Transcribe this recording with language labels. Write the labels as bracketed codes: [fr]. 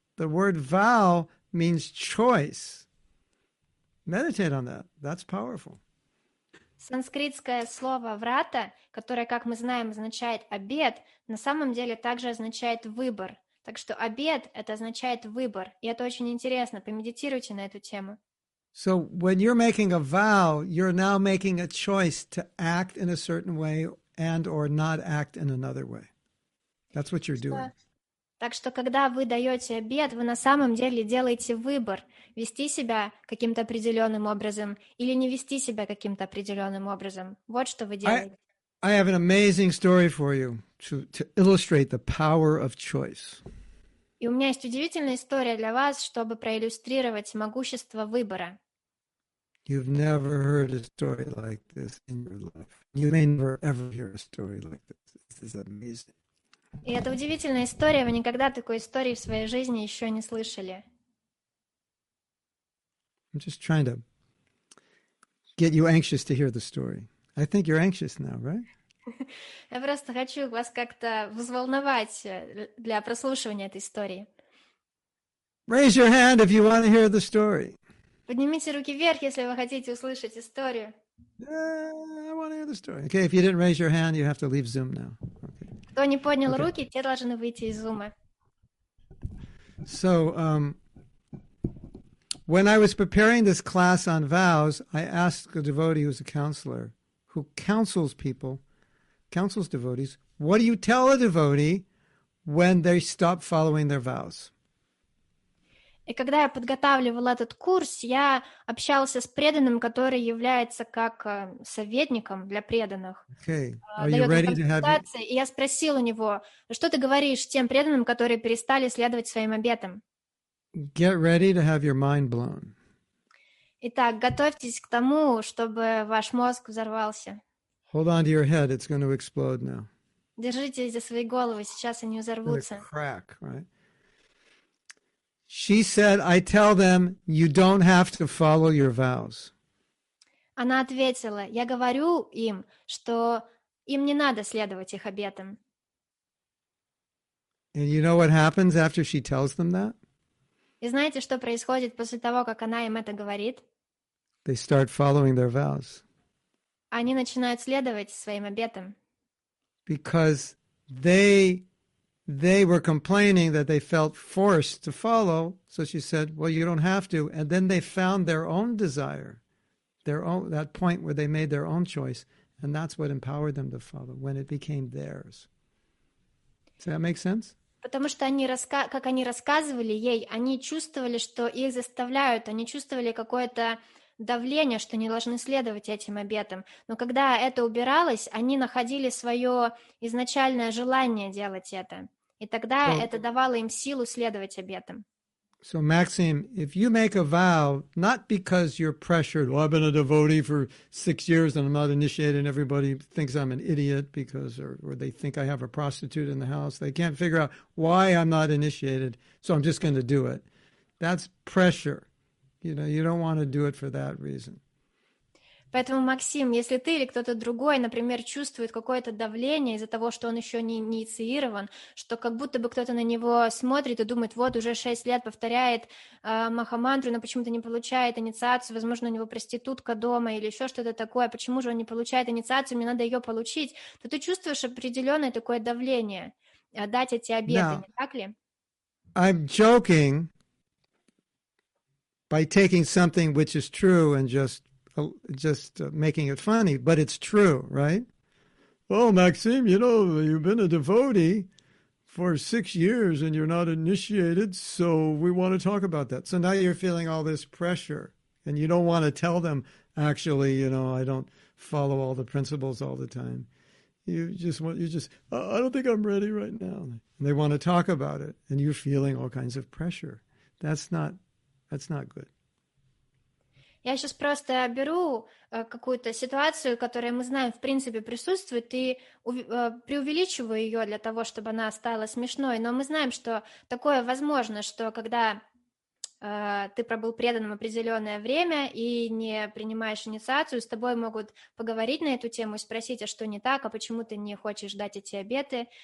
[en] The word vow means choice. Meditate on that. That's powerful. [ru] Санскритское слово врата, которое, как мы знаем, означает обет, на самом деле также означает выбор. Так что обет — это означает выбор. И это очень интересно. Помедитируйте на эту тему. [en] So when you're making a vow, you're now making a choice to act in a certain way and or not act in another way. That's what you're doing. [ru] Так что, когда вы даете обет, вы на самом деле делаете выбор вести себя каким-то определенным образом или не вести себя каким-то определенным образом. Вот что вы делаете. [en] I have an amazing story for you to illustrate the power of choice. [ru] И у меня есть удивительная история для вас, чтобы проиллюстрировать могущество выбора. [en] You've never heard a story like this in your life. You may never ever hear a story like this. This is amazing. [ru] И это удивительная история, вы никогда такой истории в своей жизни еще не слышали. [en] I'm just trying to get you anxious to hear the story. I think you're anxious now, right? [ru] Я просто хочу вас как-то взволновать для прослушивания этой истории. [en] Raise your hand if you want to hear the story. [ru] Поднимите руки вверх, если вы хотите услышать историю. [en] Yeah, I want to hear the story. Okay, if you didn't raise your hand, you have to leave Zoom now. Okay. [ru] Кто не поднял руки, те должны выйти из зума. [en] So, when I was preparing this class on vows, I asked a devotee who's a counselor, who counsels people, counsels devotees, what do you tell a devotee when they stop following their vows? [ru] И когда я подготавливал этот курс, я общался с преданным, который является как советником для преданных. [en] Okay. Are you ready to have your... [ru] И я спросил у него, что ты говоришь тем преданным, которые перестали следовать своим обетам? [en] Get ready to have your mind blown. [ru] Итак, готовьтесь к тому, чтобы ваш мозг взорвался. [en] Hold on to your head, it's going to explode now. [ru] Держитесь за свои головы, сейчас они взорвутся. [en] Crack, right? She said, I tell them, you don't have to follow your vows. [ru] Она ответила, я говорю им, что им не надо следовать их обетам. [en] And you know what happens after she tells them that? [ru] И знаете, что происходит после того, как она им это говорит? [en] They start following their vows. [ru] Они начинают следовать своим обетам. [en] Because they were complaining that they felt forced to follow, so she said, well, you don't have to, and then they found their own desire, their own that point where they made their own choice, and that's what empowered them to follow, when it became theirs. Does that make sense? [ru] Потому что они, как они рассказывали ей, они чувствовали, что их заставляют, они чувствовали какое-то давление, что не должны следовать этим обетам. Но когда это убиралось, они находили свое изначальное желание делать это. И тогда so, это давало им силу следовать обетам. [en] So, Maxime, if you make a vow, not because you're pressured, well, I've been a devotee for 6 years and I'm not initiated and everybody thinks I'm an idiot because or they think I have a prostitute in the house, they can't figure out why I'm not initiated, so I'm just going to do it. That's pressure. You know, you don't want to do it for that reason. [ru] Поэтому, Максим, если ты или кто-то другой, например, чувствует какое-то давление из-за того, что он еще не инициирован, что как будто бы кто-то на него смотрит и думает, вот уже 6 лет повторяет махамантру, но почему-то не получает инициацию, возможно, у него проститутка дома или еще что-то такое, почему же он не получает инициацию, мне надо ее получить, то ты чувствуешь определенное такое давление дать эти обеты, [en] Now, [ru] не так ли? [en] I'm joking. By taking something which is true and just making it funny, but it's true, right? Well, Maxime, you know, you've been a devotee for 6 years and you're not initiated, so we want to talk about that. So now you're feeling all this pressure and you don't want to tell them, actually, you know, I don't follow all the principles all the time. I don't think I'm ready right now. And they want to talk about it and you're feeling all kinds of pressure. That's not good. [ru] Я сейчас просто беру какую-то ситуацию, которая, мы знаем, в принципе, присутствует, и преувеличиваю ее для того, чтобы она стала смешной. Но мы знаем, что такое возможно, что когда ты пробыл преданным определенное время и не принимаешь инициацию, с тобой могут поговорить на эту тему и спросить, а что не так, а почему ты не хочешь дать эти обеты.